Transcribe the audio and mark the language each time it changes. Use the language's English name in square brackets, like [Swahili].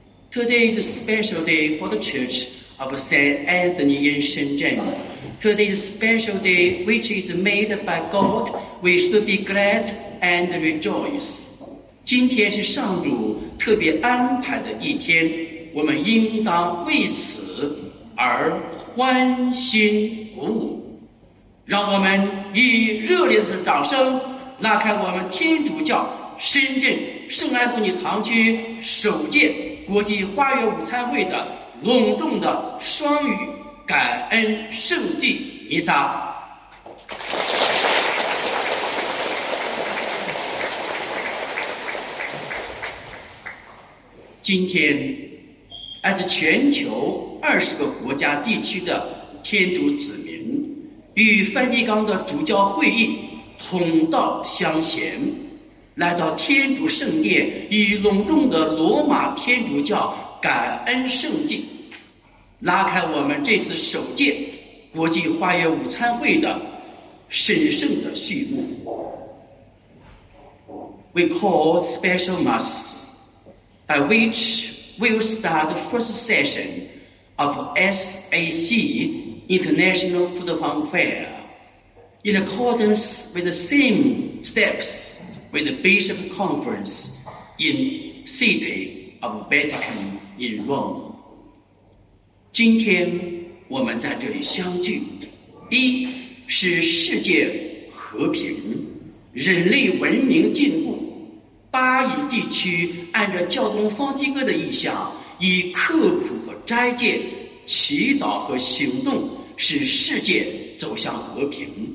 [English] Today is a special day for the Church of St. Anthony in Shenzhen. Today is a special day which is made by God. We should be glad and rejoice. [Chinese] 今天是上主特别安排的一天，我们应当为此而欢欣鼓舞。让我们以热烈的掌声拉开我们天主教深圳圣安东尼堂区首届国际花园午餐会的隆重的双语感恩圣祭弥撒。今天来自全球20个国家地区的天主子民与梵蒂冈的主教会议同道相衔，来到天主圣殿以隆重的罗马天主教感恩圣祭，拉开我们这次首届国际花园午餐会的神圣的序幕。 [English] We call special mass by which we'll start the first session of SAC International Food Fair in accordance with the same steps with the Bishop Conference in City of Vatican in Rome. [Chinese] 今天我们在这里相聚，一是世界和平，人类文明进步，巴以地区按照教宗方济各的意向，以刻苦和斋戒、祈祷和行动使世界走向和平。